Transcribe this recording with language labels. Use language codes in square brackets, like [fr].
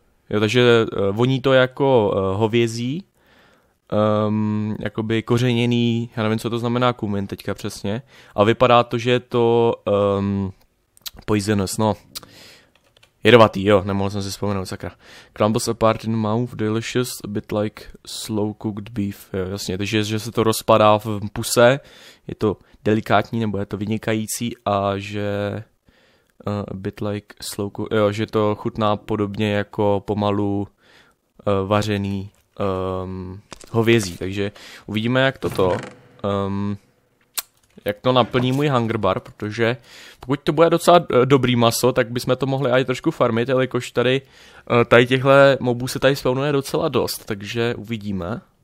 [cs] Jo, takže voní to jako hovězí. Jakoby kořeněný... Já nevím, co to znamená kumin teďka přesně. A vypadá to, že je to... poisonous, no... Jedovatý, jo, nemohl jsem si vzpomenout, sakra. [en] Crumbles apart in mouth, delicious, a bit like slow-cooked beef. [cs] Jo, jasně, takže že se to rozpadá v puse, je to delikátní, nebo je to vynikající, a že [en] a bit like slow-cooked, [cs] jo, že to chutná podobně jako pomalu vařený hovězí. Takže uvidíme, jak toto, jak to naplní můj hunger bar, protože pokud to bude docela dobrý maso, tak bychom to mohli aj trošku farmit, jelikož tady, tady těchto mobů se tady spawnuje docela dost, takže uvidíme.